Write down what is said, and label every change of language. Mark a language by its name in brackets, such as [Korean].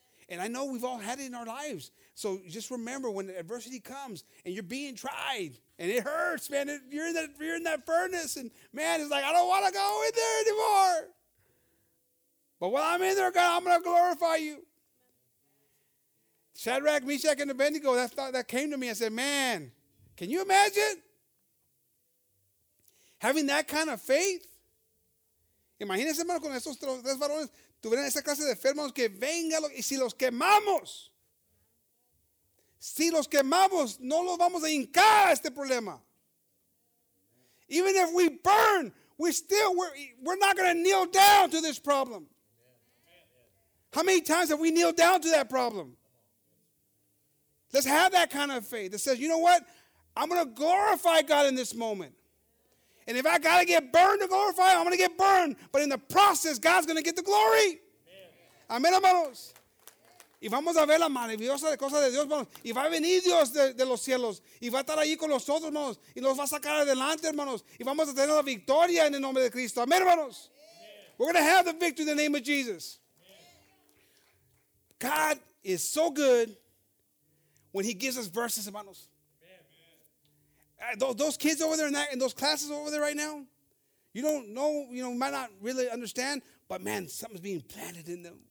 [English] And I know we've all had it in our lives. So just remember, when the adversity comes and you're being tried and it hurts, man, you're in that furnace, and man, it's like, I don't want to go in there anymore. But while I'm in there, God, I'm going to glorify you. Shadrach, Meshach, and Abednego, that thought that came to me. I said, man, can you imagine having that kind of faith? [Spanish] Imagínense, hermano, con estos tres varones, tuvieran esa clase de fe, hermanos, que venga, y si los quemamos, no los vamos a hincar a este problema. [English] Even if we burn, we're not going to kneel down to this problem. How many times have we kneeled down to that problem? Let's have that kind of faith that says, you know what? I'm going to glorify God in this moment. And if I got to get burned to glorify, I'm going to get burned. But in the process, God's going to get the glory. [Spanish] Amén, hermanos. Y vamos a ver la maravillosa cosa de Dios, hermanos. Y va a venir Dios de los cielos. Y va a estar allí con nosotros, hermanos. Y nos va a sacar adelante, hermanos. Y vamos a tener la victoria en el nombre de Cristo. Amén, hermanos. Amen. [English] We're going to have the victory in the name of Jesus. Amen. God is so good when he gives us verses, hermanos. Those kids over there in those classes over there right now, you don't know, you know, might not really understand, but man, something's being planted in them.